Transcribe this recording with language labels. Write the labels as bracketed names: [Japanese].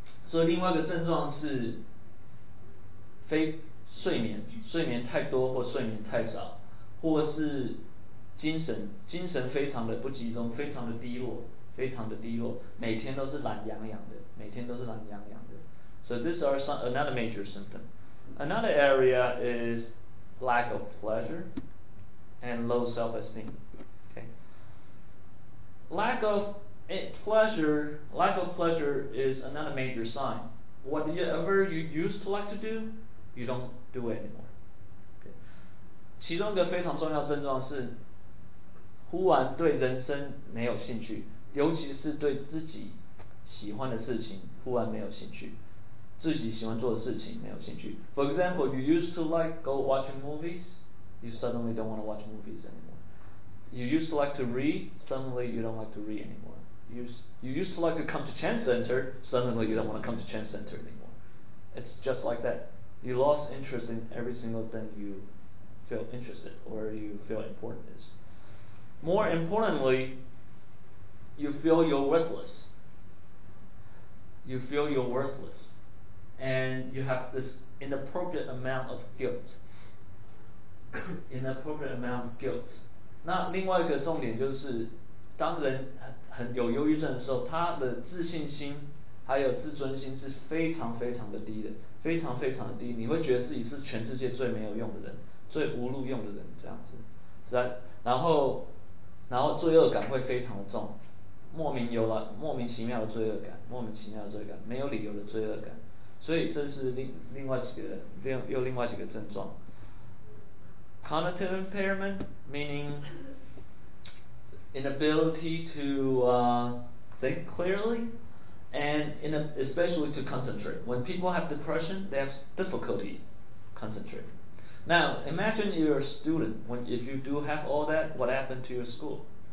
[Chinese] 所以另外一个症状是非睡眠，睡眠太多或睡眠太少，或是精神非常的不集中，非常的低落，非常的低落，每天都是懒洋洋的，每天都是懒洋洋的。 [English] So these are some, another major symptom. Another area is lack of pleasure and low self-esteem. Okay. Lack of pleasure is another major sign. Whatever you used to like to do, you don't do it anymore. Okay. [Chinese] 其中一个非常重要症状是忽然对人生没有兴趣，尤其是对自己喜欢的事情忽然没有兴趣，自己喜欢做的事情没有兴趣。 [English] For example, you used to like go watching movies, you suddenly don't want to watch movies anymore. You used to like to read, suddenly you don't like to read anymore. You used to like to come to Chan Center, suddenly you don't want to come to Chan Center anymore. It's just like that. You lost interest in every single thing you feel interested or you feel important is. More importantly, you feel you're worthless. You feel you're worthless. And you have this inappropriate amount of guilt. inappropriate amount of guilt. [Chinese] 那另外一个重点就是，当人很有忧郁症的时候，他的自信心还有自尊心是非常非常的低的，非常非常的低。你会觉得自己是全世界最没有用的人，最无路用的人这样子。然后罪恶感会非常的重，莫名其妙的罪恶感，莫名其妙的罪恶感，没有理由的罪恶感。所以这是另外几个症状。 [English] Cognitive impairment, meaning inability to think clearly, and especially to concentrate. When people have depression, they have difficulty concentrating. Now, imagine you're a student. If you do have all that, what happened to your school?